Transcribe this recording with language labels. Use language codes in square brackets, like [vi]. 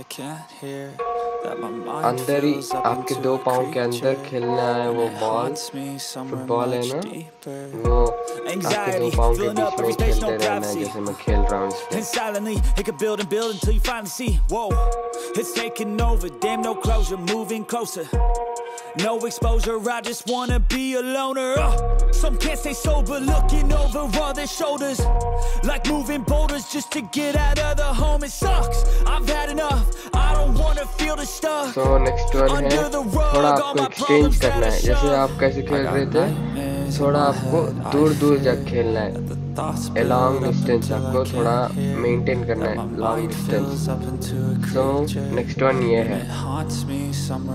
[hi] अंदर ही आपके दो पाँव के अंदर खेलने आए वो बॉल, फुटबॉल है ना, वो आपके दो पाँव के बीच में खेलते रहना है, जैसे मैं खेल रहा हूँ। [en] And silently, it could build and build until you finally see. Whoa, it's taking over. Damn, no closure. Moving closer. No exposure, I just wanna be a loner. Some can't stay sober, looking over all their shoulders. Like moving boulders just to get out of the home. It sucks, I've had enough. I don't wanna feel the stuff. So next one is, [hi] थोड़ा आपको exchange करना है, जैसे आप कैसे खेल रहे थे, थोड़ा आपको दूर दूर जाकर खेलना है। [en] A long distance [hi] आपको थोड़ा maintain करना है, long distance. [en] So next one [hi] ये है.